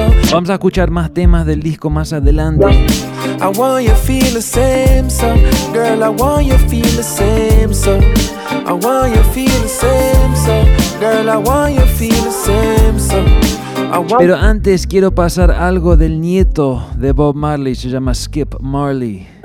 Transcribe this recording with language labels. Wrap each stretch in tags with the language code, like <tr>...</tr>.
<es>Vamos a escuchar más temas del disco más adelante.</es> <en>I want you to feel the same, so. Girl, I want you to feel the same, so. I want you to feel the same, so. Girl, I want you to feel the same, so.</en> <es>Pero antes quiero pasar algo del nieto de Bob Marley, se llama Skip Marley.</es>